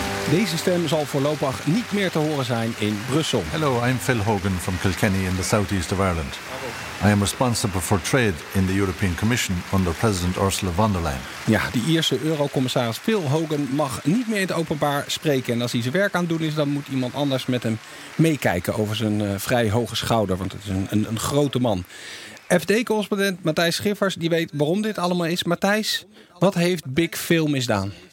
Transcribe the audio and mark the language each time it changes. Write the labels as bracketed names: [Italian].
[Dutch] Deze stem zal voorlopig niet meer te horen zijn in Brussel. [English] Hello, I'm Phil Hogan from Kilkenny in the southeast of Ireland. I am responsible for trade in the European Commission under President Ursula von der Leyen. [Dutch] Ja, die Ierse eurocommissaris Phil Hogan mag niet meer in het openbaar spreken. En als hij zijn werk aan het doen is, dan moet iemand anders met hem meekijken over zijn vrij hoge schouder. Want het is een grote man. FD-correspondent Matthijs Schiffers, die weet waarom dit allemaal is. Matthijs, wat heeft Big Phil misdaan?